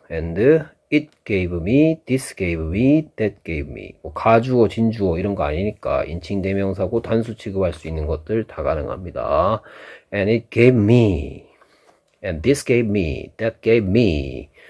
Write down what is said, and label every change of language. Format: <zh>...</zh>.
<en>and It gave me, this gave me, that gave me.</en> <ko>뭐 가주어, 진주어 이런 거 아니니까 인칭 대명사고 단수 취급할 수 있는 것들 다 가능합니다.</ko> <en>And it gave me, and this gave me, that gave me.</en>